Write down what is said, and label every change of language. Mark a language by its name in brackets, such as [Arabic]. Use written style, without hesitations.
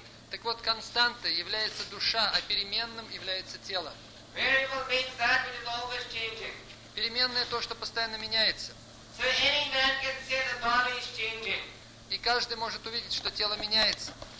[Russian] Так вот, константа является душа, а переменным является тело. Переменное то, что постоянно меняется. [English] So any man can see the body is changing. [Russian] И каждый может увидеть, что тело меняется.